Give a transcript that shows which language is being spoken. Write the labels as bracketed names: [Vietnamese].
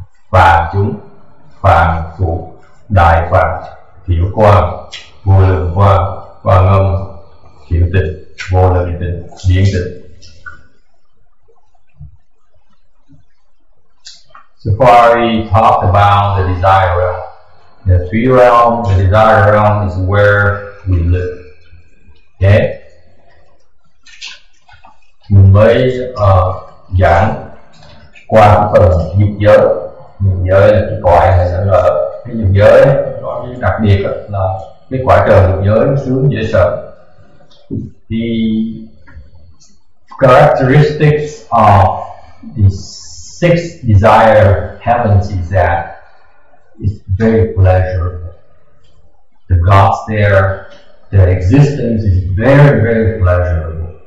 [Vietnamese] Phạm chúng, phạm phụ, đại phạm, thiểu quang, vô lượng quang, quang âm, thiểu tịnh, vô lượng tịnh, biến tịnh. [English] So far we talked about the desire realm. The three realm, the desire realm, is where we live. Okay? [Vietnamese] Mình mới giảng qua phần dục giới. Dục giới là cái cõi hay là cái dục giới ấy, đặc biệt là cái quả trời dục giới sướng dễ sợ. [English] The characteristics of the six desire heavens is that it's very pleasurable. The gods there, their existence is very, very pleasurable.